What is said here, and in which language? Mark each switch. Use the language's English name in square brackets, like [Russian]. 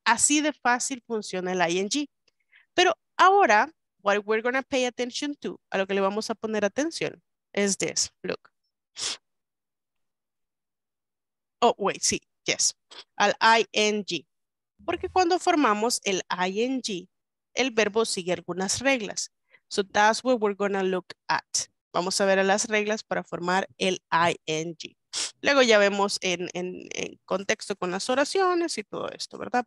[Spanish] Así de fácil funciona el ing. Pero ahora [English] what we're going to pay attention to, [Spanish] a lo que le vamos a poner atención [English] is this. Look. Oh, wait, [Spanish] sí. [English] Yes, [Spanish] al ing. Porque cuando formamos el ing, el verbo sigue algunas reglas. [English] So that's what we're going to look at. [Spanish] Vamos a ver las reglas para formar el ing. Luego ya vemos en contexto con las oraciones y todo esto, ¿verdad?